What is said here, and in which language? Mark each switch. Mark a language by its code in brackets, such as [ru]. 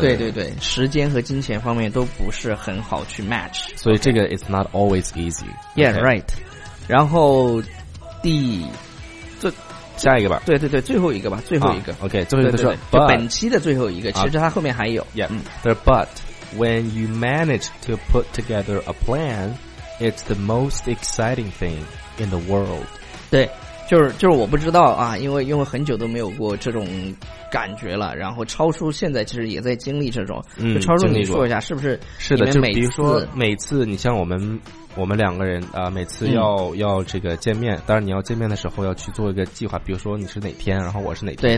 [zh] 对对对，时间和金钱方面都不是很好去 match，所以这个 [en] is not always easy。 Yeah, right。 [zh] 然后下一个吧。对对对，最后一个吧，最后一个。 OK， 最后一个是本期的最后一个，其实它后面还有。 [en] Yeah, but when you manage to put together a plan, it's the most exciting thing in the world。 [zh] 对，就是我不知道啊，因为很久都没有过这种感觉了。然后超叔现在其实也在经历这种，就超叔你说一下，是不是？是的，就比如说每次你像我们两个人啊，每次要这个见面，当然你要见面的时候要去做一个计划，比如说你是哪天，然后我是哪天，